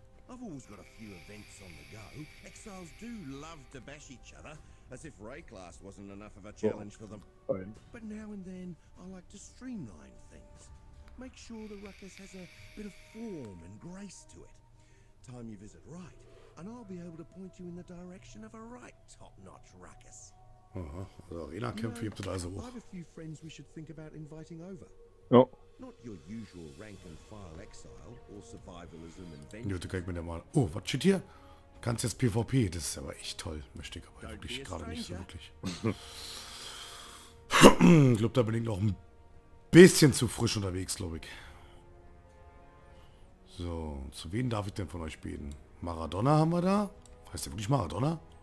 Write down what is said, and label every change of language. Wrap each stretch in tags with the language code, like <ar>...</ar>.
<en>I've always got a few events on the go. Exiles do love to bash each other, as if Rayclass wasn't enough of a challenge for them. Fine. But now and then, I like to streamline things. Make sure the ruckus has a bit of form and grace to it. Time you visit right, and I'll be able to point you in the direction of a right top-notch ruckus.</en> <de>Also Arena-Kämpfe gibt es also auch. Ja.</de> <en>Not your usual rank and file exile or survivalism and vengeance.</en> <de>Oh, was steht hier? Kannst jetzt PvP, das ist aber echt toll. Möchte ich aber wirklich gerade nicht so wirklich. Ich glaube, da bin ich noch ein bisschen zu frisch unterwegs, glaube ich. So, zu wem darf ich denn von euch beten? Maradona haben wir da? Heißt der wirklich Maradona?</de>